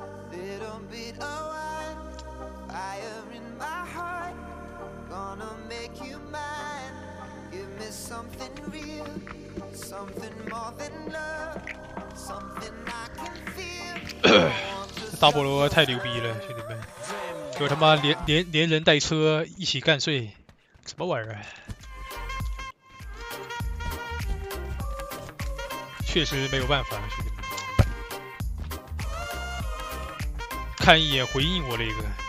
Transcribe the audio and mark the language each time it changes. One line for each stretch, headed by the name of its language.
Chinese: 第一把暴毙，兄弟们，可以了。我们已经前50名了，很棒了。50强，47强，兄弟们，帅呀！
English: Gonna make you mine. Give me something real, something more than love, something I can feel.
Chinese: 大菠萝太牛逼了，兄弟们！就他妈连人带车一起干碎，什么玩意儿？确实没有办法，兄弟们。看一眼回应我那个。